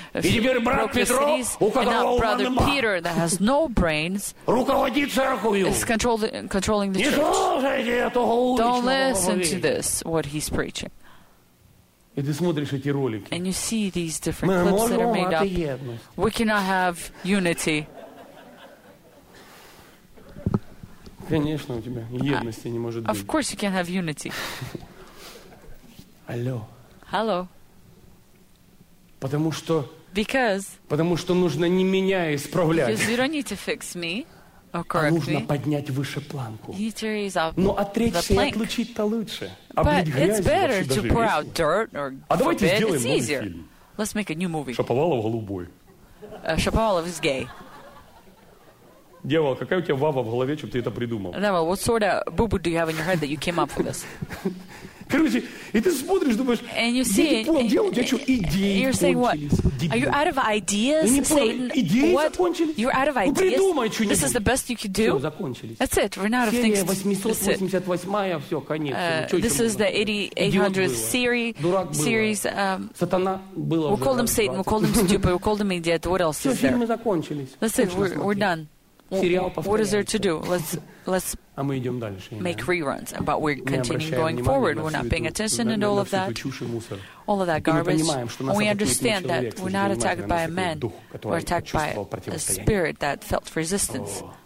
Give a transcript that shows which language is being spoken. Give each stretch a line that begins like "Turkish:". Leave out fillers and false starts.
Russian: И теперь брат Петро, у которого
English: Peter, that has no brains,
Russian: руководит церковью.
English: Is controlling the
Russian: не
English: church.
Russian: Слушайте этого уличного
English: Don't listen to this, what he's preaching.
Russian: И ты смотришь эти ролики.
English: And you see these different clips that are made up. We cannot have unity.
Russian: Конечно, у тебя едности не может быть.
English: Of course you can't have unity.
Russian: Алло.
English: Hello.
Russian: Потому что...
English: Because...
Russian: Потому что нужно не меня исправлять.
English: Because you don't need to fix me.
Russian: Нужно поднять выше планку. Но отречься и отлучить-то лучше. Облить грязью вообще даже весело. А давайте сделаем новый фильм.
English: Let's make a new movie.
Russian: Шаповалов голубой.
English: Шаповалов is gay.
Russian: Дьявол, какая у тебя вава в голове, чтобы ты это придумал?
English: Devil, what sort of boo-boo do you have in your head that you came up with this?
Russian: Короче, и ты смотришь, думаешь,
English: and you see,
Russian: я не понял, дьявол, у тебя что, идеи кончились?
English: Are you out of ideas, Satan?
Russian: Идеи закончились?
English: You're out of ideas?
Russian: Ну, придумай что-нибудь.
English: This is the best you could do?
Russian: Все, закончились.
English: That's it, we're out of things.
Russian: Серия 888-я, все, конец.
English: This is the 8800th series.
Russian: Дурак было. Сатана было уже.
English: We called him Satan, we called him stupid, we called him idiot. What else is there?
Russian: Все, фильмы закончились.
English: That's it, we're done. What is there to do? Let's make reruns, but we're continuing going forward. We're not paying attention and all of that. All of that garbage. And we understand that we're not attacked by a man. We're attacked by a spirit that felt resistance.